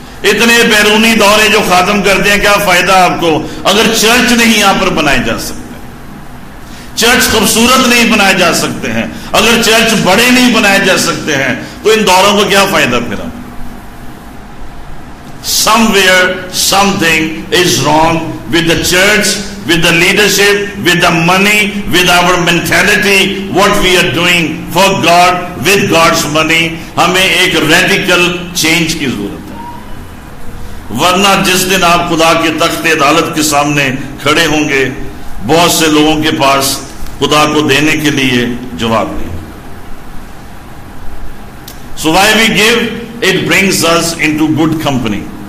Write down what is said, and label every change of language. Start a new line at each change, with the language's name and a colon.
Urdu: اتنے بیرونی دورے جو ختم کرتے ہیں, کیا فائدہ آپ کو اگر چرچ نہیں یہاں پر بنائے جا سکتے, چرچ خوبصورت نہیں بنائے جا سکتے ہیں, اگر چرچ بڑے نہیں بنائے جا سکتے ہیں, تو ان دوروں کو کیا فائدہ پھر.
English: Somewhere something is wrong with the church, with the leadership, with the money, with our mentality, what we are doing for God with God's money.
Urdu: ہمیں ایک ریڈیکل چینج کی ضرورت, ورنہ جس دن آپ خدا کے تخت عدالت کے سامنے کھڑے ہوں گے, بہت سے لوگوں کے پاس خدا کو دینے کے لیے جواب نہیں.
English: So why we give, it brings us into good company.